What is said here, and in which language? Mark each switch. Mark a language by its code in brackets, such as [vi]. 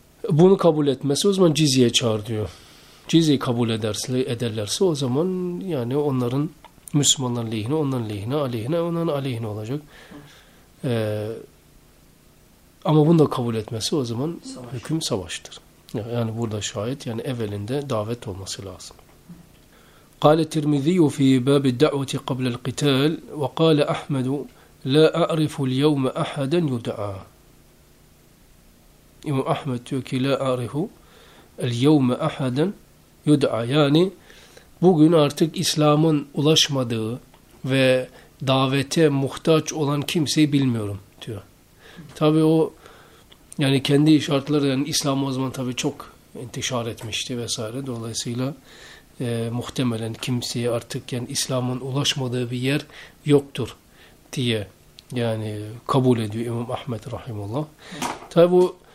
[tr] Bunu kabul etmezse o zaman cizye çağır diyor. Cizye kabul ederlerse o zaman yani onların Müslümanların lehine, onların lehine, aleyhine, onların aleyhine olacak. Ama bunu da kabul etmezse o zaman savaş. Hüküm savaştır. Yani burada şahit yani evvelinde davet olması lazım. [ar] قال الترمذي في باب الدعوة قبل القتال وقال أحمد لا أعرف اليوم أحدا يدعى. إمام أحمد يقول لا أعرف اليوم أحدا يدعى. [tr] يعني bugün artık İslam'ın ulaşmadığı ve davete muhtaç olan kimseyi bilmiyorum diyor. Tabi o yani kendi şartları yani İslam o zaman tabi çok intişar etmişti vesaire, dolayısıyla muhtemelen kimseye artık yani İslam'ın ulaşmadığı bir yer yoktur diye yani kabul ediyor İmam Ahmed rahimullah. Tabi bu